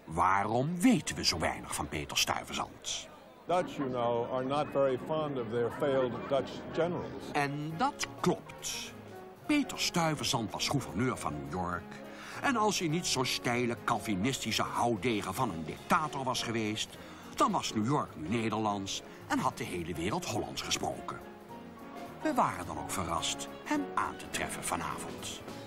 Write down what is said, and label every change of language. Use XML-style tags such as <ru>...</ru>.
<nl>Waarom weten we zo weinig van Peter Stuyvesant?</nl> <en>Dutch, you know, are not very fond of their failed Dutch generals.</en> <nl>En dat klopt. Peter Stuyvesant was gouverneur van New York. En als hij niet zo'n steile, calvinistische houdegen van een dictator was geweest, dan was New York nu Nederlands en had de hele wereld Hollands gesproken. We waren dan ook verrast hem aan te treffen vanavond.</nl>